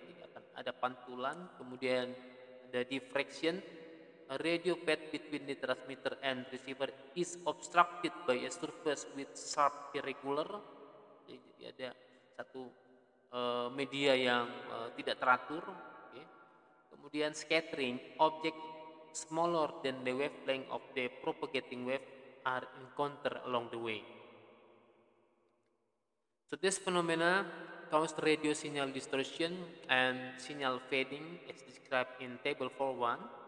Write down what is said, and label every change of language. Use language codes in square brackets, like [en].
[id] Jadi akan ada pantulan, kemudian ada [en] diffraction, a radio path between the transmitter and receiver is obstructed by a surface with sharp irregular. [id] Jadi ada satu media yang tidak teratur, okay. Kemudian [en] scattering, object smaller than the wavelength of the propagating wave are encountered along the way. So this phenomena caused radio signal distortion and signal fading as described in table 4.1.